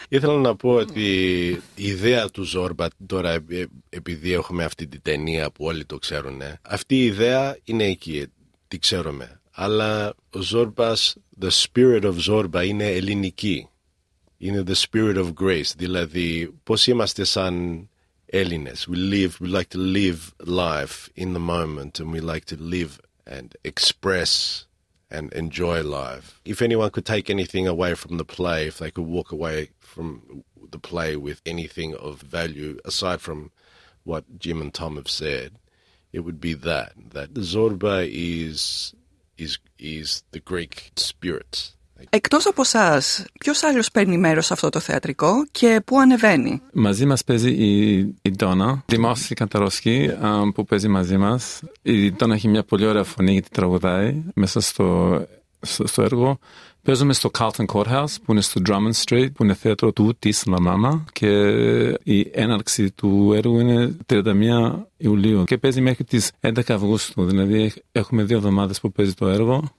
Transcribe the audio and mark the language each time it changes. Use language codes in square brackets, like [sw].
[el] Ήθελα να πω ότι η ιδέα του Ζορμπά, τώρα επειδή έχουμε αυτή την ταινία που όλοι το ξέρουν, αυτή η ιδέα είναι εκεί, τη ξέρουμε. Αλλά ο Ζορμπάς, [en] the spirit of [el] Ζορμπά είναι ελληνική. Είναι [en] the spirit of grace, [el] δηλαδή πώς είμαστε σαν Έλληνες. [en] We like to live life in the moment and we like to live and express and enjoy life. If anyone could take anything away from the play, if they could walk away from the play with anything of value, aside from what Jim and Tom have said, it would be that Zorba is the Greek spirit. [el] Εκτός από εσάς, ποιος άλλος παίρνει μέρος σε αυτό το θεατρικό και πού ανεβαίνει? Μαζί μας παίζει η Ντόνα, δημόσια καταρροσκή που παίζει μαζί μας. Η Ντόνα έχει μια πολύ ωραία φωνή γιατί τραγουδάει μέσα στο έργο. Παίζουμε στο Carlton Courthouse που είναι στο Drummond Street, που είναι θέατρο του της Λαμάμα και η έναρξη του έργου είναι 31 Ιουλίου και παίζει μέχρι τις 11 Αυγούστου, δηλαδή έχουμε 2 εβδομάδες που παίζει το έργο.